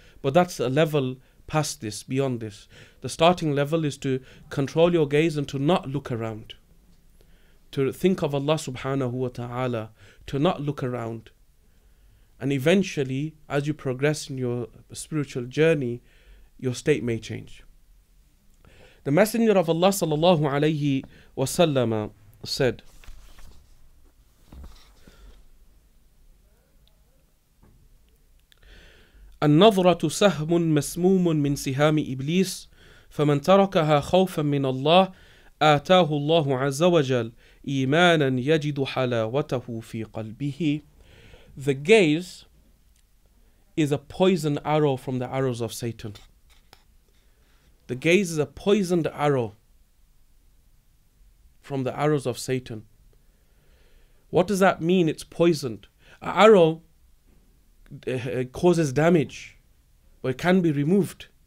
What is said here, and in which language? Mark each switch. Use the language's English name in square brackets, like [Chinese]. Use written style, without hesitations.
[English] But that's a level past this, beyond this. The starting level is to control your gaze and to not look around. To think of Allah subhanahu wa ta'ala, to not look around. And eventually, as you progress in your spiritual journey, your state may change. The Messenger of Allah sallallahu alayhi wa sallam said, [Arabic] النظرة سهم مسموم من سهام إبليس فمن تركها خوفا من الله آتاه الله عز وجل إيمانا يجد حلاوته في قلبه. [English] The gaze is a poison arrow from the arrows of Satan. The gaze is a poisoned arrow from the arrows of Satan. What does that mean? It's poisoned. An arrow causes damage, but it can be removed.